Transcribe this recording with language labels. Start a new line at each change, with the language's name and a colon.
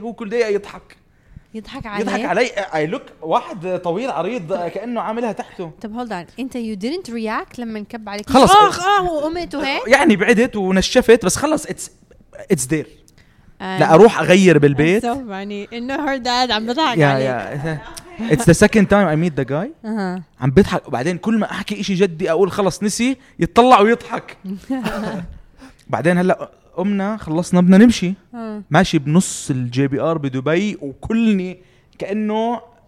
Arabic: هو كل دقيقة يضحك علي.
English: I look
Arabic: واحد طويل عريض كأنه عاملها تحته. طب
English: hold on.
Arabic: أنت
English: you didn't react
Arabic: لما نكب عليك. خلص. وقمت وهيك. يعني بعدت ونشفت بس خلص
English: it's there.
Arabic: لا أروح أغير بالبيت.
English: So funny.
Arabic: إنه
English: her dad
Arabic: عم بضحك عليك.
English: It's the second time I meet the guy.
Arabic: عم بضحك وبعدين كل ما أحكي إشي جدي أقول خلص نسي يتطلع ويضحك. بعدين هلأ قمنا خلصنا بدنا نمشي. ماشي بنص الجي بي ار بدبي وكلني كانه